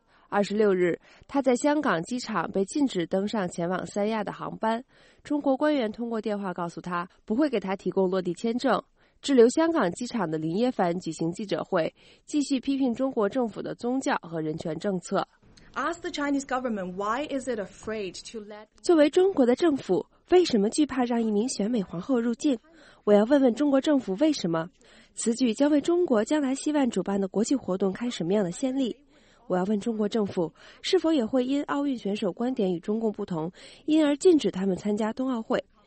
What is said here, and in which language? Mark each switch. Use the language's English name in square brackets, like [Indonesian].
[Chinese] 26日，他在香港机场被禁止登上前往三亚的航班，中国官员通过电话告诉他不会给他提供落地签证。滞留香港机场的林耶凡举行记者会，继续批评中国政府的宗教和人权政策。 [English] Ask the Chinese government why is it afraid to let. [Chinese] 作为中国的政府，为什么惧怕让一名选美皇后入境？我要问问中国政府为什么？此举将为中国将来希望主办的国际活动开什么样的先例？我要问中国政府，是否也会因奥运选手观点与中共不同，因而禁止他们参加冬奥会？